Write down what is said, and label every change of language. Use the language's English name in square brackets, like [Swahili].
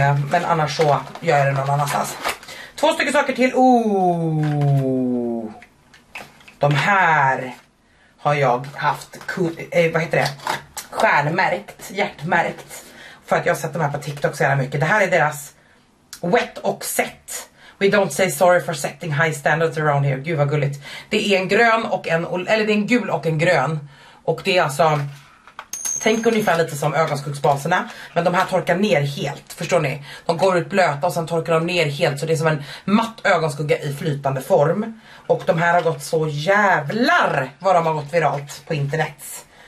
[Swedish] Men annars så gör jag det någon annanstans. Två stycken saker till. Ooh. De här har jag haft, vad heter det? Stjärnmärkt, hjärtmärkt. För att jag har sett dem här på TikTok så jävla mycket. Det här är deras Wet och Set. [English] We don't say sorry for setting high standards around here. [Swedish] Gud vad gulligt. Det är en grön och en, eller det är en gul och en grön. Och det är alltså, tänk ungefär lite som ögonskuggsbaserna. Men de här torkar ner helt, förstår ni? De går ut blöta och sen torkar de ner helt. Så det är som en matt ögonskugga i flytande form. Och de här har gått så jävlar vad de har gått viralt på internet.